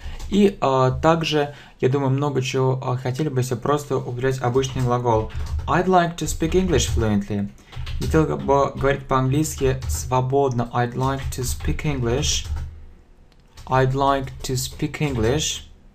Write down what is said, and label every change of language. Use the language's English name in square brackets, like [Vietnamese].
[Russian] И также, я думаю, много чего хотели бы, если просто употреблять обычный глагол. [English] I'd like to speak English fluently. [Russian] Я хотел бы говорить по-английски свободно. [English] I'd like to speak English. I'd like to speak English.